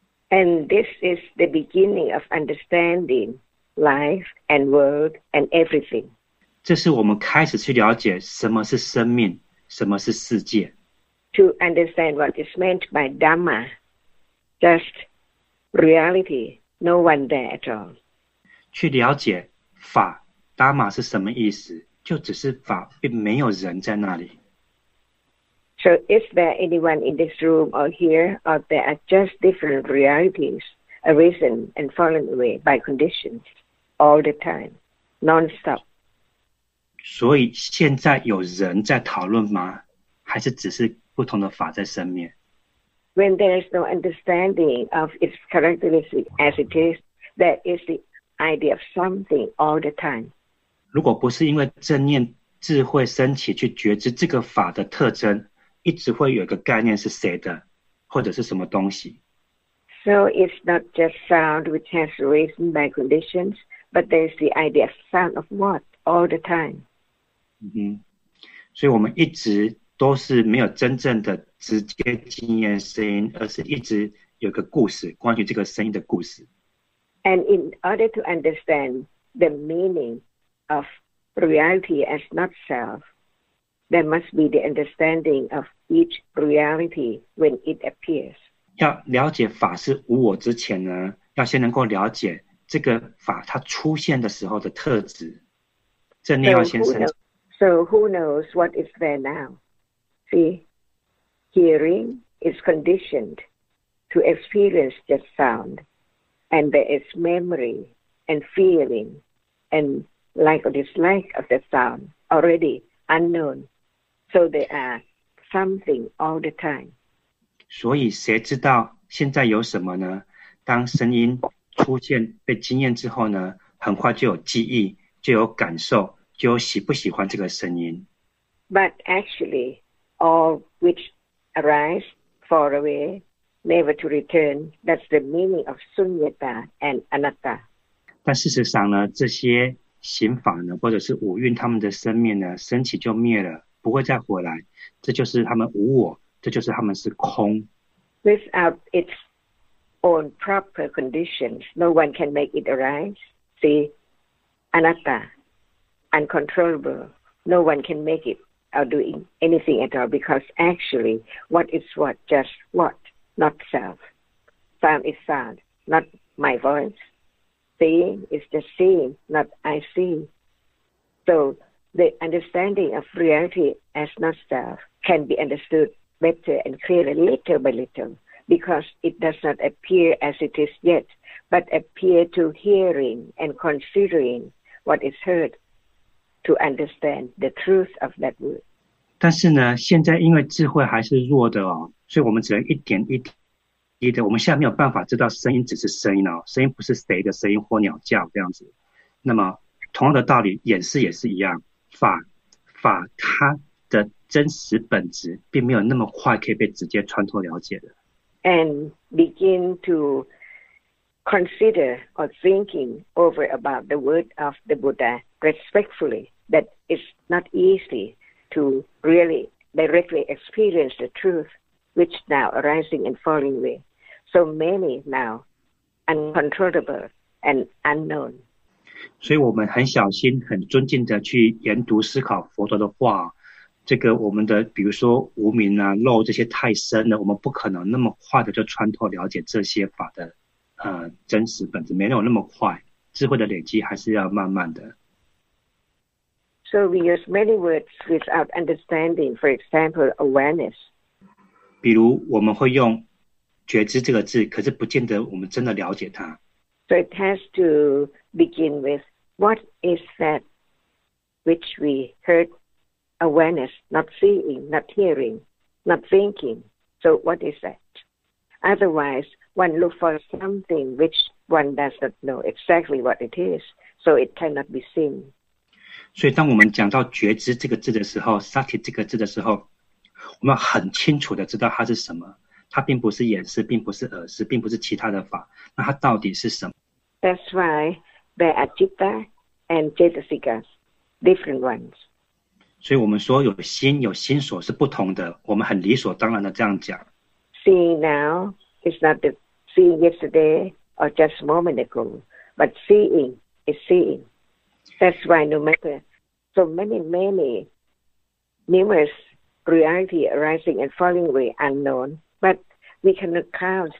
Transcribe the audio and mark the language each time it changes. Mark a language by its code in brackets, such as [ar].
[en] And this is the beginning of understanding life and world and everything. [zh] 这是我们开始去了解什么是生命，什么是世界。 [en] To understand what is meant by Dhamma, just reality, no one there at all. [zh] 去了解法 Dhamma 是什么意思，就只是法，并没有人在那里。 [en] So is there anyone in this room or here, or there are just different realities arisen and fallen away by conditions all the time, non-stop? [zh] 所以现在有人在讨论吗？还是只是不同的法在生灭？ [en] When there is no understanding of its characteristic as it is, that is the idea of something all the time. [zh] 如果不是因为正念智慧升起去觉知这个法的特征，一直会有一个概念是谁的，或者是什么东西。 [en] So it's not just sound which has arisen by conditions, but there's the idea of sound of what all the time. [zh] 嗯哼，所以我们一直都是没有真正的直接经验声音，而是一直有个故事，关于这个声音的故事。 [en] And in order to understand the meaning of reality as not self,There must be the understanding of each reality when it appears. [zh] 要了解法是无我之前呢，要先能够了解这个法它出现的时候的特质，正念要先生。 [en] So who knows what is there now? See, hearing is conditioned to experience just sound, and there is memory and feeling and like or dislike of the sound already unknown. So they are something all the time. [zh] 所以谁知道现在有什么呢？当声音出现被经验之后呢，很快就有记忆，就有感受，就有喜不喜欢这个声音。 [en] But actually, all which arise far away, never to return, that's the meaning of sunyata and anatta. [zh] 但事实上呢，这些刑法呢，或者是五蕴他们的生命呢，升起就灭了。不会再回来，这就是他们无我，这就是他们是空。 [en] Without its own proper conditions, no one can make it arise. See, anatta, uncontrollable. No one can make it or doing anything at all because actually, what is what, just what, not self. Sound is sound, not my voice. Seeing is just seeing, not I see. So. The understanding of reality as not self can be understood better and clearer little by little because it does not appear as it is yet, but appear to hearing and considering what is heard to understand the truth of that word. [zh] 但是呢，现在因为智慧还是弱的哦，所以我们只能一点一低的，我们现在没有办法知道声音只是声音哦，声音不是谁的声音或鸟叫这样子。那么同样的道理，眼识也是一样，法它的真实本质并没有那么快可以被直接穿透了解的。 [en] And begin to consider or thinking over about the word of the Buddha respectfully, that it's not easy to really directly experience the truth which now arising and falling away. So many now uncontrollable and unknown. [zh] 所以我们很小心很尊敬的去研读思考佛陀的话，这个我们的比如说无明啊漏这些太深了，我们不可能那么快的就穿透了解这些法的真实本质，没有那么快，智慧的累积还是要慢慢的。 [en] So we use many words without understanding, for example awareness. [zh] 比如我们会用觉知这个字，可是不见得我们真的了解它。 [en] So it has to begin with what is that which we heard awareness, not seeing, not hearing, not thinking. So what is that? Otherwise, one looks for something which one does not know exactly what it is, so it cannot be seen. [zh] 所以当我们讲到觉知这个字的时候 sati 这个字的时候，我们很清楚的知道它是什么，它并不是眼识，并不是耳识，并不是其他的法，那它到底是什么？ [en] That's why there are citta and cetasika, different ones. [zh] 所以我们说有心有心所是不同的，我们很理所当然的这样讲。 [en] Seeing now is not the seeing yesterday or just a moment ago, but seeing is seeing. That's why no matter so many, many numerous reality arising and falling away unknown,But we cannot count.